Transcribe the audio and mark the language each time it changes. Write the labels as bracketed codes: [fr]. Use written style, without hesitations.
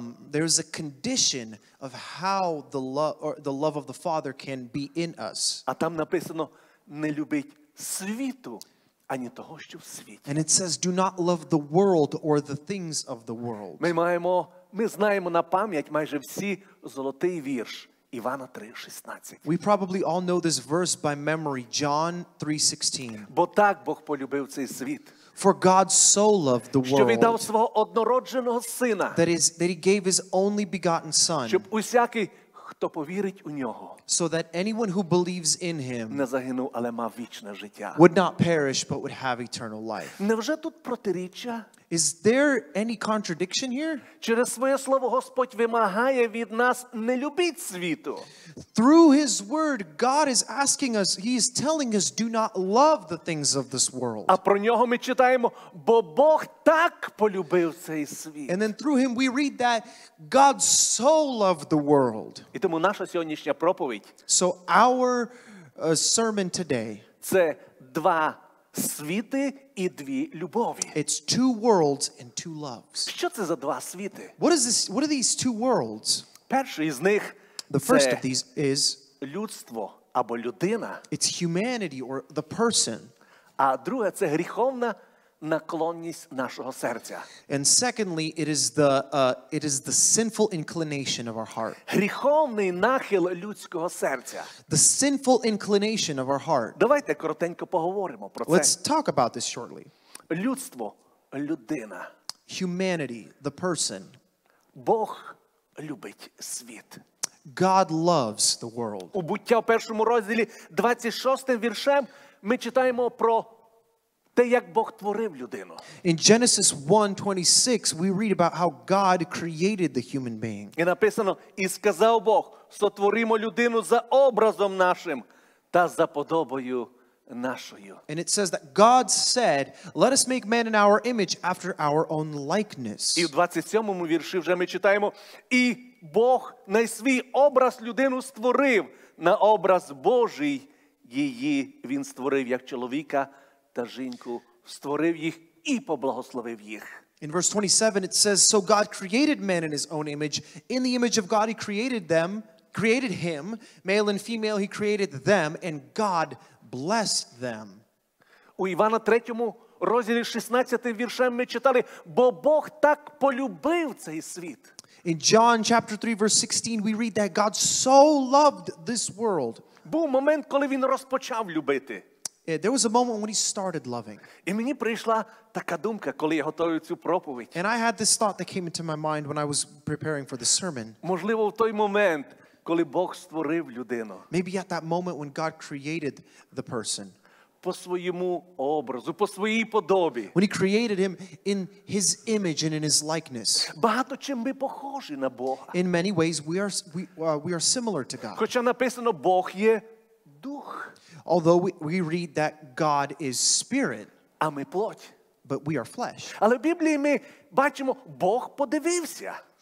[en] There is a condition of how the love of the Father can be in us. [uk] А там написано: не любіть світу, ані того, що в світі. [en] And it says, do not love the world or the things of the world. [uk] Ми знаємо на пам'ять майже всі золотий вірш Івана 3:16. [en] We probably all know this verse by memory, John 3:16. [uk] Бо так Бог полюбив цей світ. [en] For God so loved the world, [uk] що віддав свого однородженого сина, [en] that he gave his only begotten son, [uk] щоб усякий, хто повірить у нього, [en] so that anyone who believes in him, [uk] не загинув, але мав вічне життя, [en] would not perish, but would have eternal life. [uk] Невже тут протиріччя? [en] Is there any contradiction here? [uk] Через своє слово Господь вимагає від нас не любіть світу. [en] Through his word, God is asking us, he is telling us, do not love the things of this world. [uk] А про нього ми читаємо, бо Бог так полюбив цей світ. [en] And then through him we read that God so loved the world. [uk] І тому наша сьогоднішня проповідь, [en] so our sermon today, [uk] це два світи і дві любові. [en] It's two worlds and two loves. [uk] Що це за два світи? [en] What is this? What are these two worlds? [uk] Перший з них, [en] the first of these is [uk] людство або людина. [en] It's humanity or the person. [uk] А друге, це гріховна наклонність нашого серця. [en] And secondly, it is the sinful inclination of our heart. [uk] Гріховний нахил людського серця. [en] The sinful inclination of our heart. [uk] Давайте коротенько поговоримо про це. [en] Let's talk about this shortly. [uk] Людство, людина. [en] Humanity, the person. [uk] Бог любить світ. [en] God loves the world. [uk] У Буття в першому розділі 26-м віршем ми читаємо про те, як Бог творив людину. [en] In Genesis 1:26, we read about how God created the human being. [uk] І написано, і сказав Бог, сотворимо людину за образом нашим та за подобою нашою. [en] And it says that God said, let us make man in our image after our own likeness. [uk] І в 27-му вірші вже ми читаємо, і Бог на свій образ людину створив, на образ Божий її він створив як чоловіка та жінку, створив їх і поблагословив їх. [en] In verse 27 it says, so God created man in his own image. In the image of God he created them, created him. Male and female he created them, and God blessed them. [uk] У Івана 3 розділі 16 віршем ми читали, бо Бог так полюбив цей світ. [en] In John chapter 3 verse 16 we read that God so loved this world. [uk] Був момент, коли він розпочав любити. [en] Yeah, there was a moment when he started loving. [uk] І мені прийшла така думка, коли я готую цю проповідь. [en] And I had this thought that came into my mind when I was preparing for the sermon. [uk] Можливо, в той момент, коли Бог створив людину. [en] Maybe at that moment when God created the person. [uk] по своєму образу, по своїй подобі. [en] When he created him in his image and in his likeness. [uk] Багато чим ми похожі на Бога. [en] In many ways we are similar to God. [uk] Хоча написано Бог є дух. [en] Although we read that God is spirit. [uk] А ми плоть. [en] But we are flesh. [uk] Але в Біблії ми бачимо Бог подивився.